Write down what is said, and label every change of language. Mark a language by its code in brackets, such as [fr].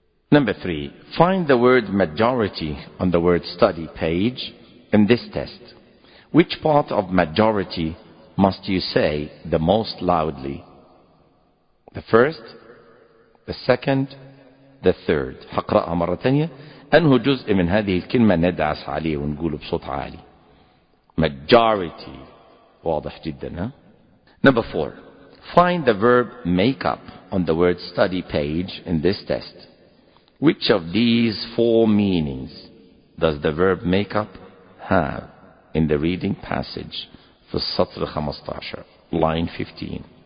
[en] Number three, find the word majority on the word study page in this test. Which part of majority must you say the most loudly? The first, the second, the third. [ar] حقرأها مرة تانية. أنه جزء من هذه الكلمة ندعس عليه ونقوله بصوت عالي. [en] Majority. [ar] واضح جدا. [en] Number four. Find the verb make up on the word study page in this test. Which of these four meanings does the verb make up have in the reading passage for السطر 15, line 15?